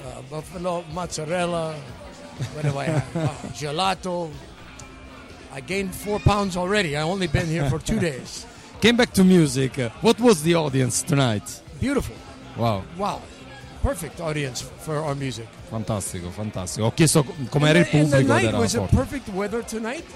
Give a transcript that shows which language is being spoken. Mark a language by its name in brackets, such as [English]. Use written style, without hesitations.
[English] Buffalo, mozzarella. What do I have? Gelato. I gained 4 pounds already. I only been here for 2 days. Came back to music. What was the audience tonight? Beautiful. Wow. Wow. Perfect audience for our music. [Italian] Fantastico, fantastico. Ho chiesto com'era il pubblico. [English] And the night was a perfect weather tonight.